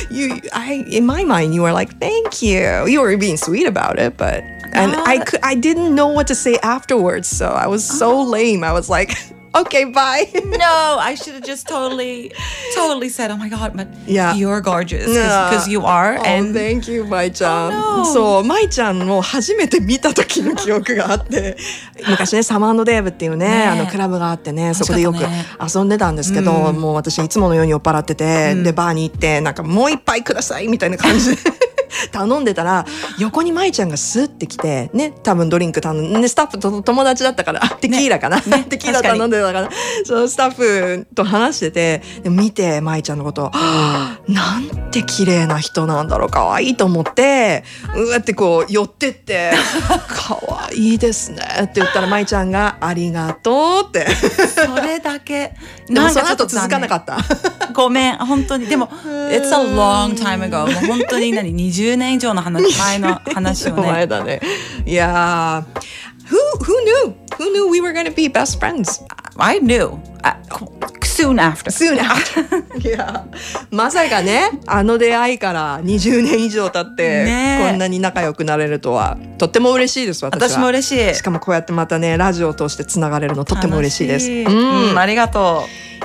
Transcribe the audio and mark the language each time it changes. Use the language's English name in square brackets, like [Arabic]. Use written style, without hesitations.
[English] in my mind you were like thank you you were being sweet about it butAnd I didn't know what to say afterwards, so I was so lame. I was like, okay, bye. No, I should have just totally said, oh my god, but yeah. you're gorgeous, because you are. Oh, and... thank you, Mai-chan. Oh, no. [Japanese] そう、Mai-chanを初めて見た時の記憶があって、昔ね、サマー&デーブっていうね、ねあのクラブがあってね、そこでよく遊んでたんですけど、ね、もう私いつものように酔っ払ってて、うん、で、バーに行って、なんかもう一杯くださいみたいな感じで。頼んでたら横にマイちゃんがスッて来てね多分ドリンク頼んで、ね、スタッフと友達だったからテキーラかな、ねね、テキーラ頼んでたからそのスタッフと話しててで見てマイちゃんのことなんて綺麗な人なんだろうかわいいと思ってうわってこう寄ってってかわいいですねって言ったらマイちゃんがありがとうってそれだけでもその後続かなかったごめん本当にでも [English] It's a long time ago [Japanese] もう本当に何20年以上の話前の話をね前だねいやー [English] Who knew we were gonna be best friends? I knew Soon after [Japanese] いやまさかねあの出会いから20年以上経って、ね、こんなに仲良くなれるとはとっても嬉しいです私も嬉しいしかもこうやってまたねラジオを通してつながれるのとっても嬉しいです楽しい、うん、ありがとうい